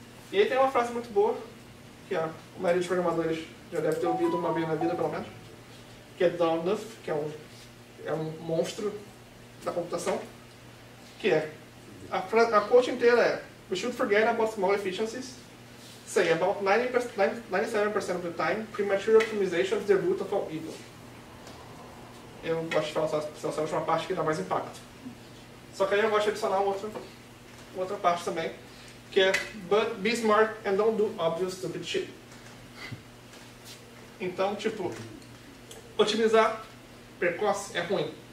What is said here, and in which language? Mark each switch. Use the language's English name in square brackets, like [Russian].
[Portuguese] E aí tem uma frase muito boa, que a maioria dos programadores já deve ter ouvido uma vez na vida, pelo menos. Que é Don Knuth, que é um monstro da computação, que é a quote inteira é: [English] "We should forget about small efficiencies. Say about 97% of the time, premature optimization is the root of all evil." [Portuguese] Eu gosto de falar só essa última parte que dá mais impacto. Só que aí eu gosto de adicionar uma outra parte também, que é: [English] "But be smart and don't do obvious stupid shit." [Portuguese] Então, tipo, otimizar precoce é ruim.